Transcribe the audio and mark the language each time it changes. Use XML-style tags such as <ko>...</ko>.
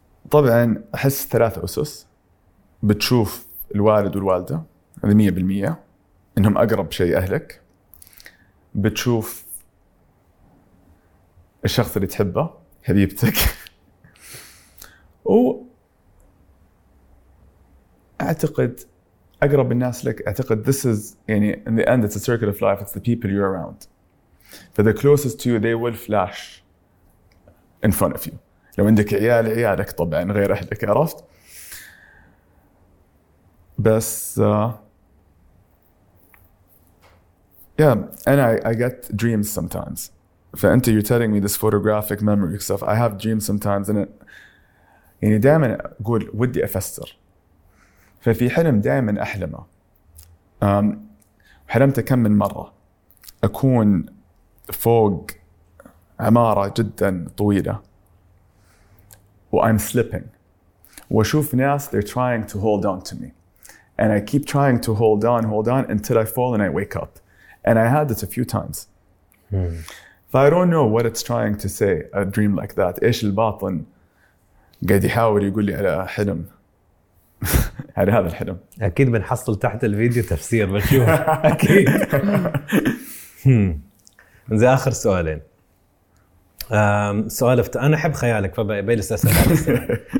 <ar>طبعا احس ثلاث اسس، بتشوف الوالد والوالده هذه 100% انهم اقرب شيء اهلك، بتشوف الشخص اللي تحبه حبيبتك، واعتقد اقرب الناس لك، اعتقد this is يعني</ar> <en>in the end it's a circle of life, it's the people you're around, for the closest to you they will flash in front of you.</en> <ar>لو عندك عيال عيالك طبعا غير اهلك، عرفت؟ بس</ar> <en>yeah and I get dreams sometimes.</en> <ar>فأنت</ar> <en>you're telling me this photographic memory stuff. I have dreams sometimes and it,</en> <ar>يعني دائما أقول ودي أفسر. ففي حلم دائما أحلمه حلمت كم من مرة أكون فوق عمارة جدا طويلة و</ar> <en>I'm slipping</en> <ar>وأشوف ناس</ar> <en>they're trying to hold on to me and I keep trying to hold on until I fall and I wake up and I had it a few times. I don't know what it's trying to say, a dream like that.</en> <ar>إيش الباطن قاعد يحاول يقول لي على حلم على هذا الحلم. أكيد بنحصل تحت الفيديو تفسير بشوف أكيد. زي آخر سؤالين. سؤال افتح أنا أحب خيالك فبجلس أسأل.</ar>